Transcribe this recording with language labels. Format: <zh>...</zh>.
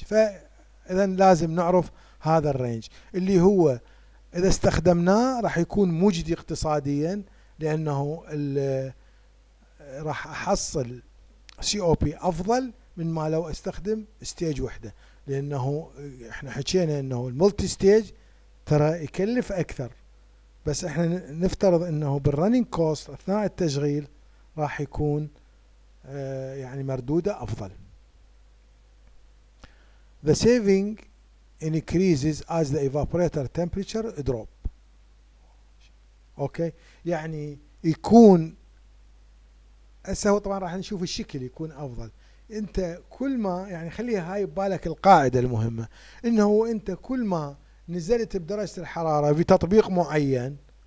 <ar>فاذا لازم نعرف هذا الرينج اللي هو اذا استخدمناه راح يكون مجدي اقتصاديا، لانه راح احصل COP افضل من ما لو استخدم ستيج وحدة، لانه احنا حكينا انه الملتي ستيج ترى يكلف اكثر. بس احنا نفترض انه بالرننج كوست اثناء التشغيل راح يكون يعني مردودة افضل.</ar> <en>The saving increases as the evaporator temperature drop.</en> <ar>اوكي يعني يكون هسه هو طبعا راح نشوف الشكل يكون افضل. انت كل ما يعني خليها هاي ببالك القاعده المهمه انه انت كل ما نزلت بدرجه الحراره في تطبيق معين.</ar>